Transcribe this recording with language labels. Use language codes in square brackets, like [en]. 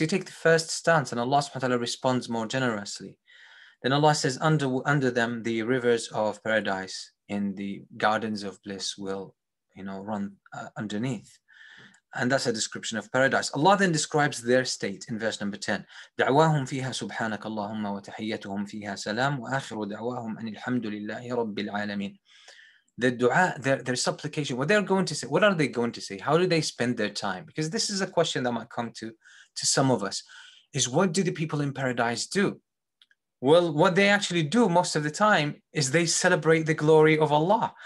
[en] You take the first stance and Allah subhanahu wa ta'ala responds more generously. Then Allah says, under them the rivers of paradise in the gardens of bliss will, you know, run underneath. And that's a description of paradise. Allah then describes their state in verse number 10. [ar] دعواهم فيها سبحانك اللهم وتحيتهم فيها سلام وآخر دعواهم أن الحمد لله رب العالمين. [en] The dua, their supplication, what they're going to say, what are they going to say? How do they spend their time? Because this is a question that might come to some of us, is what do the people in paradise do? Well, what they actually do most of the time is they celebrate the glory of Allah.